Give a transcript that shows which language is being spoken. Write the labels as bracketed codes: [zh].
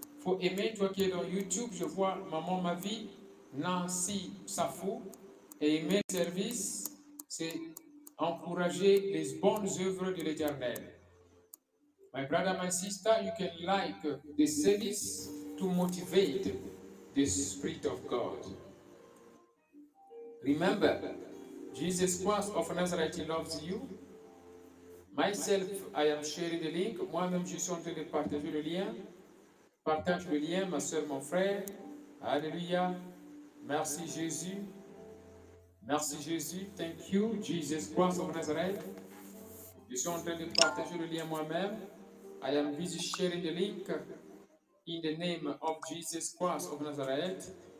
[fr] Faut aimer, toi qui es dans YouTube, je vois Maman Ma Vie, Nancy Safou. Et aimer le service, c'est encourager les bonnes œuvres de l'Éternel. [en] My brother, my sister, you can like the service to motivate the Spirit of God. Remember, Jesus Christ of Nazareth loves you. Myself, I am sharing the link. [fr] Moi-même, je suis en train de partager le lien. Partage le lien, ma soeur, mon frère. Alléluia. Merci, Jésus. Merci, Jésus. [en] Thank you, Jesus Christ of Nazareth. [fr] Je suis en train de partager le lien moi-même. [en] I am busy sharing the link in the name of Jesus Christ of Nazareth.